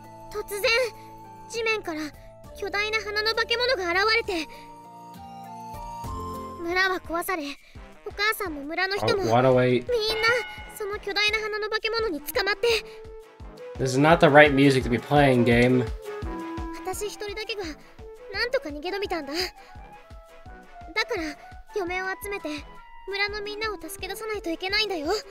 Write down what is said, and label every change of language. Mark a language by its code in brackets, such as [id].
[ja] 突然、地面から巨大な花の化け物が現れて、村は壊され、お母さんも村の人も、みんなその巨大な花の化け物に捕まって。 [en] This is not the right music to be playing, game. [ja] 私一人だけが何とか逃げ延びたんだ。だから嫁を集めて村のみんなを助け出さないといけないんだよ。